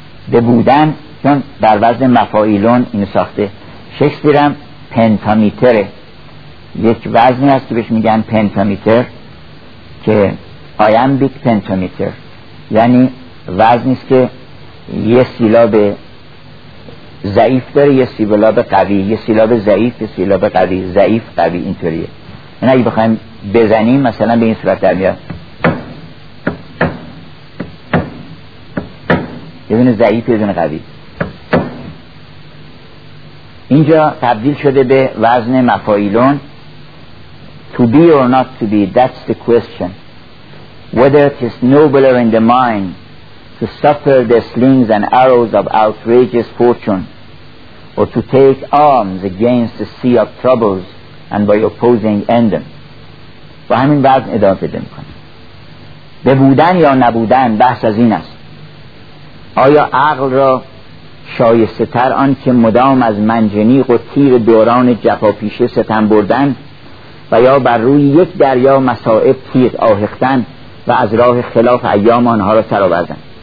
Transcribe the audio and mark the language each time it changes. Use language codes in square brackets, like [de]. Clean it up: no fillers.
[fa] به بودن، چون در وزن مفاعیلون این ساخته، شکسپیرم پنتامیتره، یک وزنی هست که بهش میگن پنتامیتر که آیمبیک پنتامیتر، یعنی وزنی است که یه سیلاب ضعیف داره یه سیلاب قوی، یه سیلاب ضعیف یه سیلاب قوی، ضعیف قوی، اینطوریه. این اگه بخوایم بزنیم مثلا به این صورت در میاد، یه دونه ضعیف یه دونه قوی، اینجا تبدیل شده به وزن مفاعیلون. [en] To be or not to be, that's the question. Whether it is nobler in the mind to suffer the slings and arrows of outrageous fortune, or to take arms against the sea of troubles and by opposing end them. [fa] با همین وزن ادامه بده میکنه. به بودن یا نبودن بحث از این است. آیا عقل را شایسته تر آن که مدام از منجنیق و تیر دوران جفاپیشه ستم بردن و یا بر روی یک دریا مصائب تیر آهختن و از راه خلاف ایام آنها را سرآوردن؟